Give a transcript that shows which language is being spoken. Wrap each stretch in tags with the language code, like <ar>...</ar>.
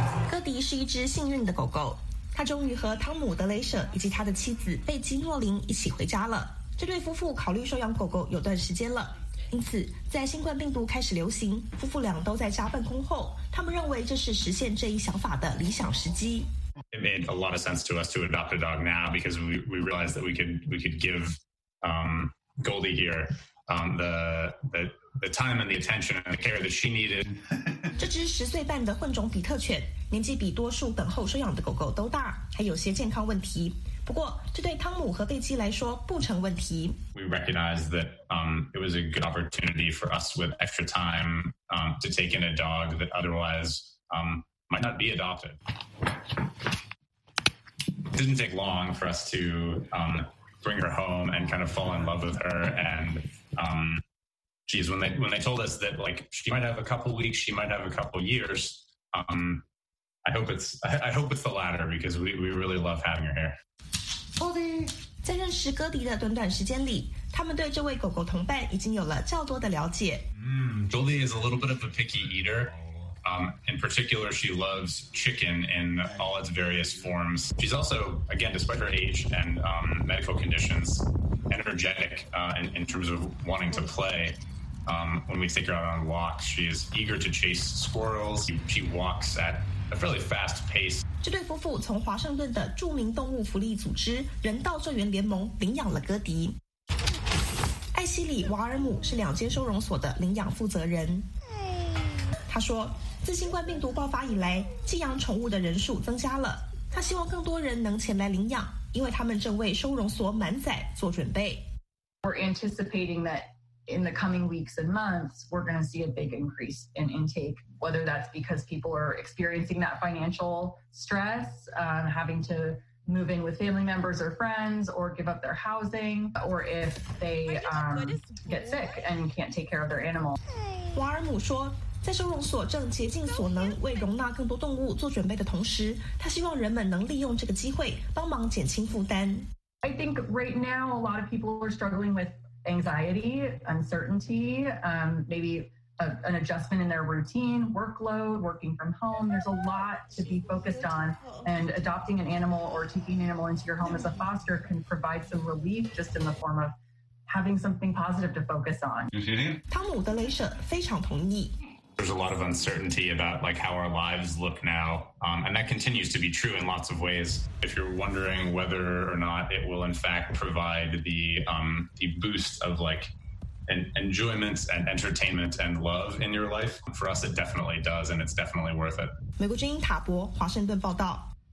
<zh>戈迪是一只幸运的狗狗，他终于和汤姆·德雷舍以及他的妻子贝基·诺林一起回家了。这对夫妇考虑收养狗狗有段时间了，因此在新冠病毒开始流行，夫妇俩都在家办公后，他们认为这是实现这一想法的理想时机。</zh> <en>It made a lot of sense to us to adopt a dog now because we realized that we could give Goldie here the time and the attention and the care that she needed.</en> <zh>这只十岁半的混种比特犬年纪比多数等候收养的狗狗都大，还有些健康问题，不过这对汤姆和贝基来说不成问题。</zh> <en>We recognized that it was a good opportunity for us with extra time to take in a dog that otherwise might not be adopted. It didn't take long for us to bring her home and kind of fall in love with her. And geez, when they told us that like she might have a couple weeks, she might have a couple years, I hope it's the latter because we really love having her here.</en> <zh>在认识戈迪的短短时间里，他们对这位狗狗同伴已经有了较多的了解。</zh> <en>Goldie is a little bit of a picky eater. In particular, she loves chicken in all its various forms. She's also, again, despite her age and medical conditions, energetic in terms of wanting to play. When we take her out on walks, she is eager to chase squirrels. She walks at a fairly fast pace.</en> <zh>这对夫妇从华盛顿的著名动物福利组织人道救援联盟领养了戈迪。艾希里·瓦尔姆是两间收容所的领养负责人。他说，自新冠病毒爆发以来，寄养宠物的人数增加了。他希望更多人能前来领养，因为他们正为收容所满载做准备。</zh> <en>We're anticipating that in the coming weeks and months, we're going to see a big increase in intake. Whether that's because people are experiencing that financial stress, having to move in with family members or friends, or give up their housing, or if they get sick and can't take care of their animal.</en> <zh>瓦尔姆说，在收容所正竭尽所能为容纳更多动物做准备的同时，他希望人们能利用这个机会帮忙减轻负担。</zh> <en>I think right now a lot of people are struggling with anxiety, uncertainty, maybe. An adjustment in their routine, workload, working from home. There's a lot to be focused on. And adopting an animal or taking an animal into your home as a foster can provide some relief just in the form of having something positive to focus on.</en> <zh>Tom Udalesha 非常同意。</zh> <en>There's a lot of uncertainty about like how our lives look now. And that continues to be true in lots of ways. If you're wondering whether or not it will in fact provide the boost of like,And enjoyment and entertainment and love in your life. For us, it definitely does, and it's definitely worth it.</en> <zh>美国之音塔博，华盛顿报道。</zh>